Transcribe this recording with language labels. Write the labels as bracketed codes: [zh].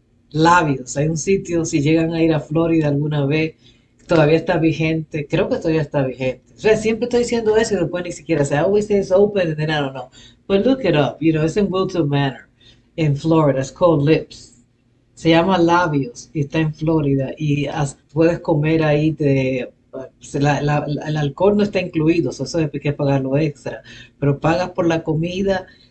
[es] Labios, hay un sitio, si llegan a ir a Florida alguna vez, todavía está vigente, creo que todavía está vigente. O sea, siempre estoy diciendo eso y después ni siquiera, o sea, [en] I always say it's open and then I don't know. But look it up, you know, it's in Wilton Manor, in Florida, it's called Lips. [es] Se llama Labios y está en Florida y puedes comer ahí de, el alcohol no está incluido, o sea, eso hay que pagarlo extra, pero pagas por la comida.